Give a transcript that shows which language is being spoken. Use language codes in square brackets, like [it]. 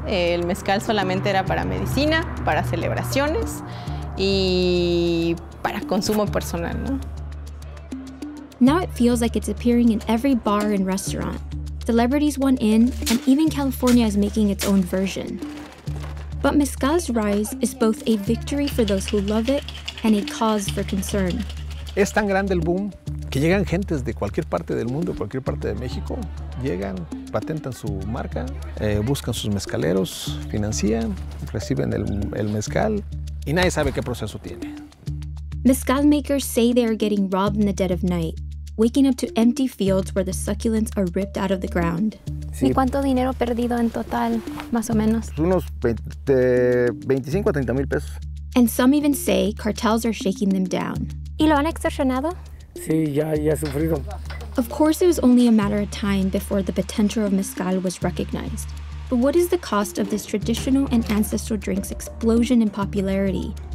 [es] El mezcal solamente era para medicina, para celebraciones, y para consumo personal, ¿no? [en] Now it feels like it's appearing in every bar and restaurant. Celebrities want in, and even California is making its own version. But mezcal's rise is both a victory for those who love it and a cause for concern. [es] Es tan grande el boom que llegan gentes de cualquier parte del mundo, cualquier parte de México, llegan, patentan su marca, buscan sus mezcaleros, financian, reciben el mezcal, y nadie sabe qué proceso tiene. [en] Mezcal makers say they are getting robbed in the dead of night, waking up to empty fields where the succulents are ripped out of the ground. [es] Sí. ¿Y cuánto dinero perdido en total, más o menos? Unos 25 a 30 mil pesos. [en] And some even say cartels are shaking them down. [es] ¿Y lo han extorsionado? Sí, ya he sufrido. [en] Of course, it was only a matter of time before the potential of mezcal was recognized. But what is the cost of this traditional and ancestral drink's explosion in popularity?